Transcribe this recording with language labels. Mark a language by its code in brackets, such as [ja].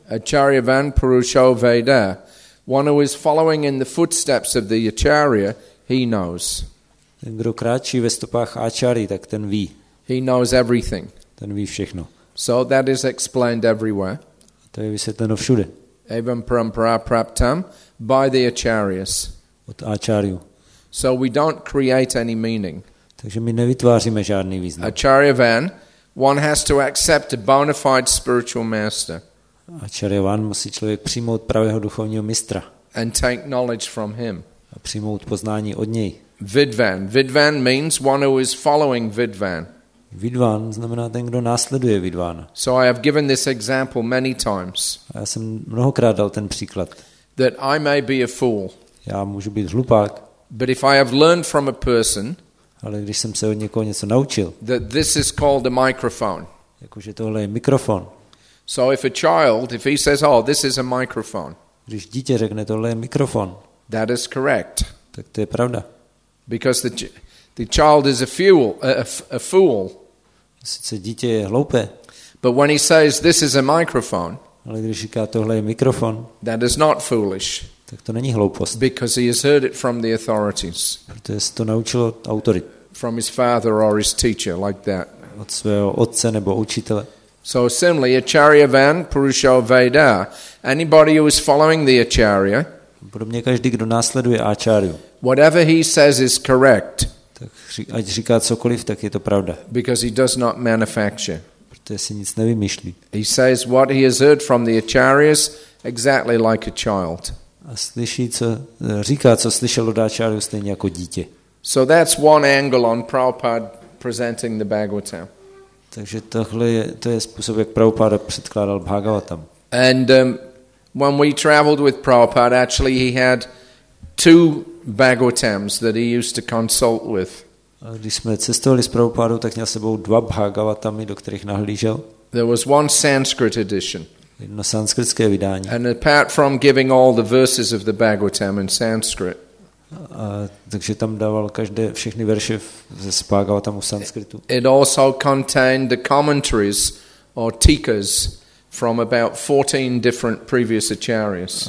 [sa] Acharya van Purusho Veda. [en] One who is following in the footsteps of the acharya, he knows. [cs] Ten, kdo kráčí ve stopách acharyi, tak ten ví. [en] He knows everything. [cs] Ten ví všechno. [en] So that is explained everywhere. [cs] To je vysvětleno všude. [sa] Evam parampara praptam [en] by the acharyas. [cs] Od acharyů. [en] So we don't create any meaning. [cs] Takže my nevytváříme žádný význam. [en] Acharya van, one has to accept a bona fide spiritual master. [cs] Acharya van, musí člověk přijmout pravého duchovního mistra. [en] And take knowledge from him. [cs] A přijmout poznání od něj. [en] Vidvan, vidvan means one who is following vidvan. [cs] Vidvan znamená ten, kdo následuje vidvana. [en] So I have given this example many times. [cs] Já jsem mnohokrát dal ten příklad. [en] That I may be a fool. [cs] Já můžu být hlupák. [en] But if I have learned from a person, [cs] ale když jsem se od někoho něco naučil. [en] That this is called a microphone. [cs] Jakože tohle je mikrofon. [en] So if a child, if he says, oh, this is a microphone. [cs] Když dítě řekne, tohle je mikrofon. [en] That is correct. [cs] Tak to je pravda. [en] Because the child is a fool. [cs] Sice dítě je hloupé. [en] But when he says this is a microphone. [cs] Ale když říká tohle je mikrofon. [en] That is not foolish. [cs] Tak to není hloupost. [en] Because he has heard it from the authorities. [cs] Protože to naučil od autorit. [en] From his father or his teacher like that. [cs] Od svého otce nebo učitele. [en] So similarly [sa] acharya van purusha veda, [en] anybody who is following the acharya. [cs] Podobně každý, kdo následuje áčáriu. [en] Whatever he says is correct. [cs] Tak ať říká cokoliv, tak je to pravda. [en] Because he does not manufacture. [cs] Protože si nic nevymýšlí. [en] He says what he has heard from the acharyas exactly like a child. [cs] A slyší, co říká, co slyšel od áčáriu, stejně jako dítě. [en] So that's one angle on Prabhupada presenting the Bhagavatam. [cs] Takže tohle je, to je způsob, jak Prabhupada předkládal Bhagavatam. [en] And when we traveled with Prabhupada, actually he had two Bhagavatams that he used to consult with. [cs] A když jsme cestovali s Prabhupadou, tak měl s sebou dva Bhagavatamy, do kterých nahlížel. [en] There was one Sanskrit edition. [cs] Jedno sanskritské vydání. [en] And apart from giving all the verses of the Bhagavatam in Sanskrit. [cs] A, takže tam dával každé všechny verše ze Bhagavatamu v sanskritu. [en] It also contained the commentaries or tikas from about 14 different previous acharyas.